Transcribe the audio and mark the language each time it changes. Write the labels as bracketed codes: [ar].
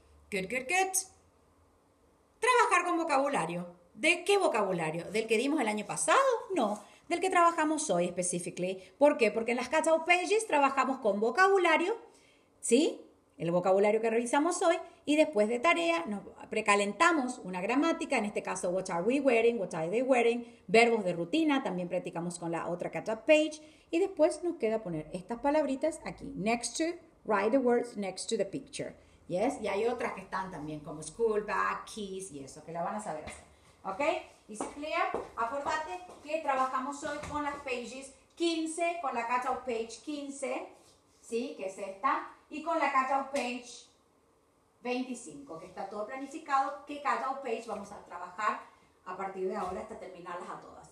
[en] Good, good, good. [es] ¿Trabajar con vocabulario? ¿De qué vocabulario? ¿Del que dimos el año pasado? No. Del que trabajamos hoy, specifically. ¿Por qué? Porque en las Catch Up Pages trabajamos con vocabulario, ¿sí? El vocabulario que revisamos hoy. Y después de tarea, nos precalentamos una gramática. En este caso, [en] what are we wearing, what are they wearing. [es] Verbos de rutina, también practicamos con la otra Catch Up Page. Y después nos queda poner estas palabritas aquí. [en] Next to, write the words next to the picture. ¿Yes? [es] Y hay otras que están también, como school bag, keys y eso, que la van a saber hacer. ¿Ok? [en] Is it clear? [es] Acordate que trabajamos hoy con las pages 15, con la catch up page 15, ¿sí? Que es esta, y con la catch up page 25, que está todo planificado, qué catch up page vamos a trabajar a partir de ahora hasta terminarlas a todas.